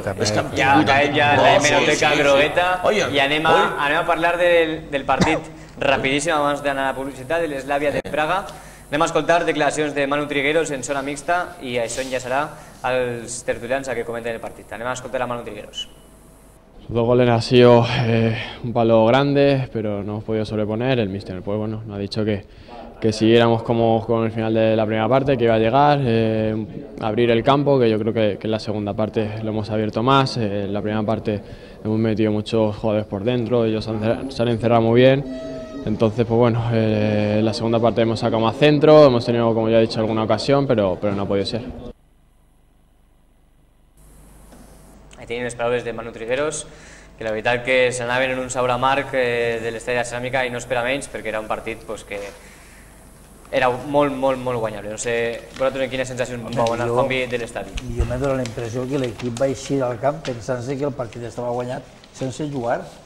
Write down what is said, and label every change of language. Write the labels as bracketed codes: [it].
[ca] Sí, ja, caem ja la hemeroteca grogueta. I anem a parlar del partit rapidíssim abans d'anar a la publicitat de l'Eslàvia de Praga. Anem a escoltar declaracions de Manu Trigueros en zona mixta i això enllaçarà als tertulians que comenten el partit. Anem a escoltar a Manu Trigueros. [es] Los dos goles han sido un palo grande, pero no hemos podido sobreponer. El míster pues, bueno, nos ha dicho que siguiéramos como con el final de la primera parte, que iba a llegar, abrir el campo, que yo creo que en la segunda parte lo hemos abierto más. En la primera parte hemos metido muchos jugadores por dentro, ellos se han encerrado muy bien. Entonces, pues bueno, en la segunda parte hemos sacado más centro, hemos tenido, como ya he dicho, alguna ocasión, pero no ha podido ser. [ca] Tenim les paraules de Manu Trigueros, que la veritat que s'anaven en un sabor amarg de l'Estrella Ceràmica i no es per a menys, perquè era un partit que era molt, molt, molt guanyable. No sé, vosaltres, quina sensació va donar el canvi de l'estadi? Jo m'he donat la impressió que l'equip va eixir al camp pensant-se que el partit estava guanyat sense jugar.